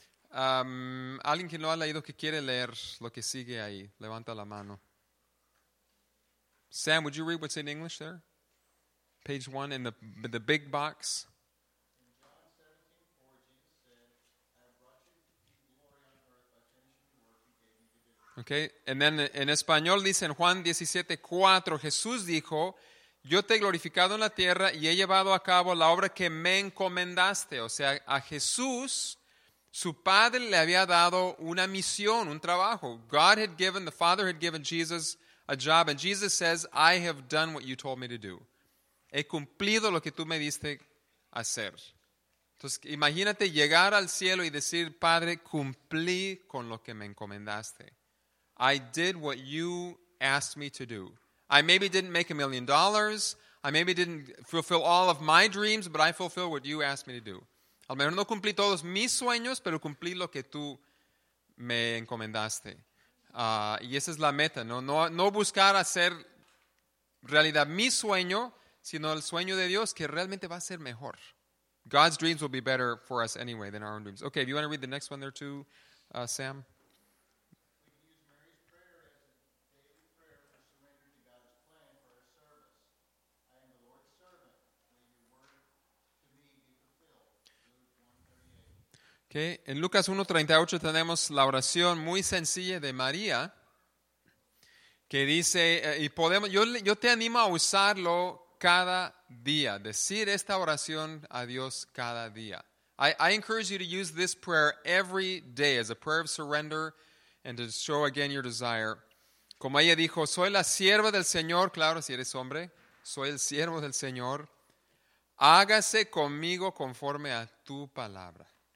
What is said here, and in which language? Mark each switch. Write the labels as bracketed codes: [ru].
[es] Alguien que no ha leído que quiere leer lo que sigue ahí, levanta la mano. [en] Sam, would you read what's in English there? Page one in the big box. [es] Okay, and then en español dice en Juan 17:4, Jesús dijo, yo te he glorificado en la tierra y he llevado a cabo la obra que me encomendaste. O sea, a Jesús, su padre le había dado una misión, un trabajo. [en] God had given, the Father had given Jesus a job, and Jesus says, I have done what you told me to do. [es] He cumplido lo que tú me diste hacer. Entonces, imagínate llegar al cielo y decir, Padre, cumplí con lo que me encomendaste. [en] I did what you asked me to do. I maybe didn't make $1,000,000. I maybe didn't fulfill all of my dreams, but I fulfilled what you asked me to do. [es] A lo mejor no cumplí todos mis sueños, pero cumplí lo que tú me encomendaste. Y esa es la meta, ¿no? No buscar hacer realidad mi sueño, sino el sueño de Dios, que realmente va a ser mejor. [en] God's dreams will be better for us anyway than our own dreams. Okay, if you want to read the next one there too, Sam. Okay. [es] En Lucas 1:38 tenemos la oración muy sencilla de María que dice, y podemos, yo te animo a usarlo cada día, decir esta oración a Dios cada día. [en] I encourage you to use this prayer every day as a prayer of surrender and to show again your desire. [es] Como ella dijo, soy la sierva del Señor, claro, si eres hombre, soy el siervo del Señor, hágase conmigo conforme a tu palabra.